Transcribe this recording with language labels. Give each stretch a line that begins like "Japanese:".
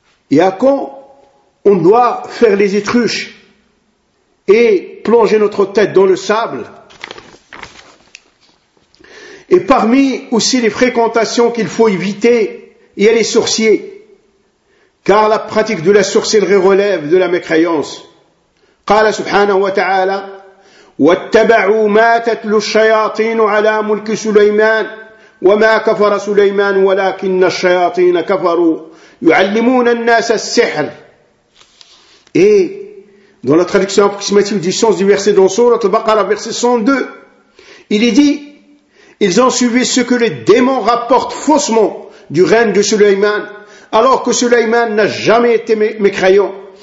French: Et à quand on doit faire les étruches et plonger notre tête dans le sable? Et parmi aussi les fréquentations qu'il faut éviter, il y a les sorciers. Car la pratique de la sorcellerie relève de la mécréance.
Arabic: قال سبحانه وتعالى واتبعوا ما تتلو الشياطين على ملك سليمان وما كفر سليمان ولكن الشياطين كفروا يعلمون الناس السحر.
French: Et dans la traduction approximative du sens du verset dans sourate Al-Baqarah, verset 102, il est dit: ils ont suivi ce que les démons rapportent faussement du règne de Sulayman, alors que Sulayman n'a jamais été mécréant.